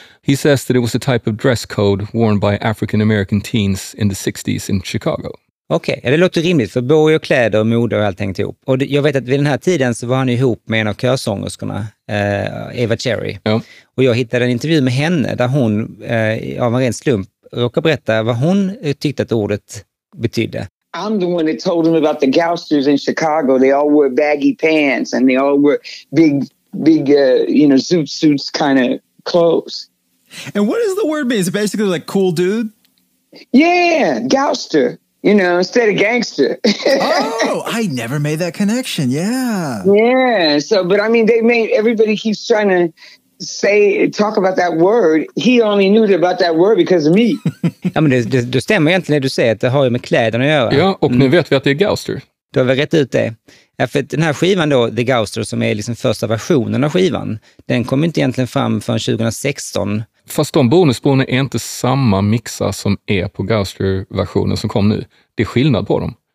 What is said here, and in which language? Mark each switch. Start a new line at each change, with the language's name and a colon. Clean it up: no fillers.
English: He says that it was a type of dress code worn by African American teens in the 60s in Chicago.
Swedish: Okej, okay. Det låter rimligt, för borg och kläder och mode och allt hängt ihop. Och jag vet att vid den här tiden så var han ihop med en av körsångerskorna, Eva Cherry. Ja. Och jag hittade en intervju med henne där hon av en ren slump råkade berätta vad hon tyckte att ordet betydde.
English: I'm the one that told them about the gangsters in Chicago. They all wore baggy pants and they all wore big you know, zoot suits kind of clothes. And what does the word mean? Is it basically like cool dude? Yeah, gangster. You know, instead of gangster. Oh, I never made that connection. Yeah. Yeah. So, but I mean, everybody keeps trying to talk about that word. He only knew about that word because of me.
Swedish: Ja, men det stämmer egentligen det du säger, att det har ju med kläderna att göra. Ja, och nu vet vi att det är gangster. Du har väl rätt ut det. Ja, för den här skivan då, The Gouster, som är liksom första versionen av skivan, den kom inte egentligen fram förrän 2016. Fast de bonusspåren är inte samma mixa som är på Gouster-versionen som kom nu. Det är skillnad på dem.